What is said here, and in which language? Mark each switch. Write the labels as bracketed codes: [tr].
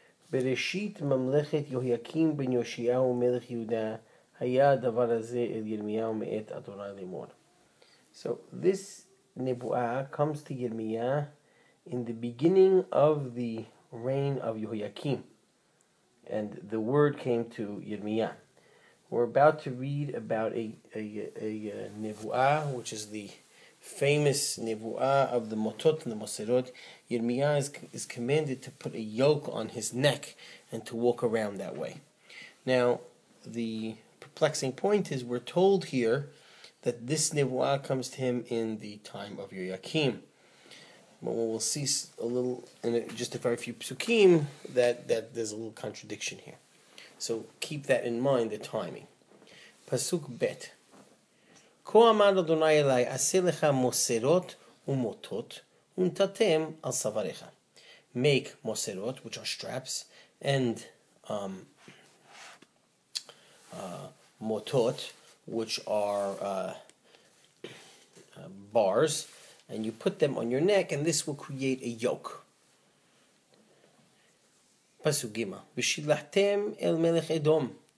[he] בראשית ממלכת יהויקים בן יאשיהו מלך יהודה היה הדבר הזה אל ירמיהו מאת אדוני לאמור. [en] So this נבואה comes to ירמיה in the beginning of the reign of יהויקים, and the word came to ירמיה. We're about to read about a נבואה, which is the famous nevuah of the motot and the moserot. Yirmiyah is commanded to put a yoke on his neck and to walk around that way. Now, the perplexing point is we're told here that this nevuah comes to him in the time of Yoyakim. But we'll see a little, just a very few psukim, that there's a little contradiction here. So keep that in mind, the timing. Pasuk bet. [he] כה אמר אדוני אלי, עשה לך מוסרות ומוטות, ונתתם על סבריך. [en] Make מוסרות, which are straps, and מוטות, which are bars, and you put them on your neck, and this will create a yoke. [he] פסוק ג' ושלחתם אל מלך אדום.